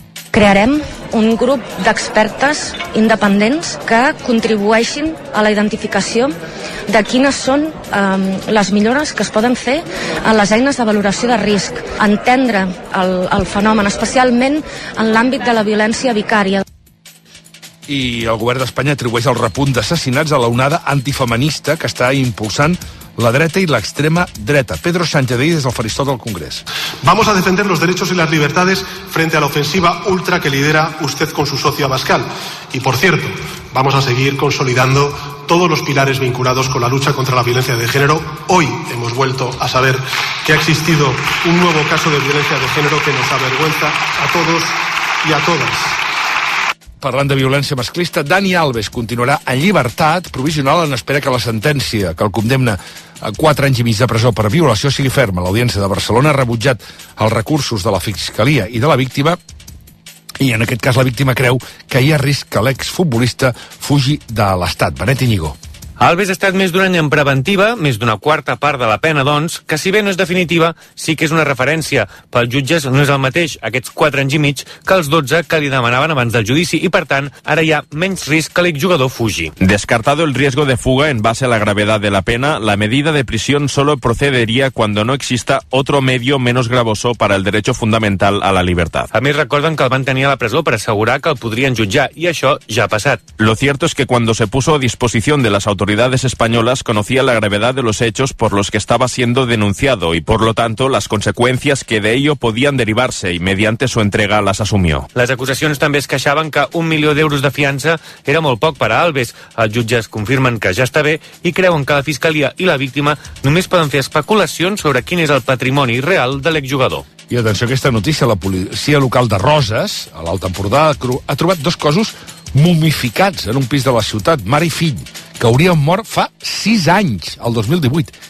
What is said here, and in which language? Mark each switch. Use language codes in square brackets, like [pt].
[ca] Crearem un grup d'expertes independents que contribueixin a la identificació de quines són les millores que es poden fer en les eines de valoració de risc, entendre el fenomen, especialment en l'àmbit de la violència vicària. I el govern d'Espanya atribueix el repunt d'assassinats a l'onada antifeminista que està impulsant la dreta y la extrema dreta. Pedro Sánchez de Ides, el faristol del Congrés. [es] Vamos a defender los derechos y las libertades frente a la ofensiva ultra que lidera usted con su socio Abascal. Y por cierto, vamos a seguir consolidando todos los pilares vinculados con la lucha contra la violencia de género. Hoy hemos vuelto a saber que ha existido un nuevo caso de violencia de género que nos avergüenza a todos y a todas. [ca] Parlant de violència masclista, Dani Alves continuarà en llibertat provisional en espera que la sentència que el condemna a 4 anys i mig de presó per violació sigui ferma. L'Audiència de Barcelona ha rebutjat els recursos de la Fiscalia i de la víctima, i en aquest cas la víctima creu que hi ha risc que l'exfutbolista fugi de l'estat. Benet Iñigo. Alves ha estat més d'un any en preventiva, més d'una quarta part de la pena, doncs, que si bé no és definitiva, sí que és una referència. Pels jutges no és el mateix aquests 4 anys i mig que els 12 que li demanaven abans del judici i, per tant, ara hi ha menys risc que l'exjugador fugi. [es] Descartado el riesgo de fuga en base a la gravedad de la pena, la medida de prisión solo procedería cuando no exista otro medio menos gravoso para el derecho fundamental a la libertad. [ca] A més, recorden que el van tenir a la presó per assegurar que el podrien jutjar, i això ja ha passat. [es] Lo cierto es que cuando se puso a disposición de las autoridades españolas conocía la gravedad de los hechos por los que estaba siendo denunciado y, por lo tanto, las consecuencias que de ello podían derivarse y mediante su entrega las asumió. [ca] Les acusacions també es queixaven que 1 milió d'euros de fiança era molt poc per a Alves. Els jutges confirmen que ja està bé i creuen que la fiscalia i la víctima només poden fer especulacions sobre quin és el patrimoni real de l'exjugador. I atenció a aquesta notícia, la policia local de Roses, a l'Alt Empordà, ha trobat dos cossos mumificats en un pis de la ciutat, mare i fill, que haurien mort fa 6 anys, el 2018.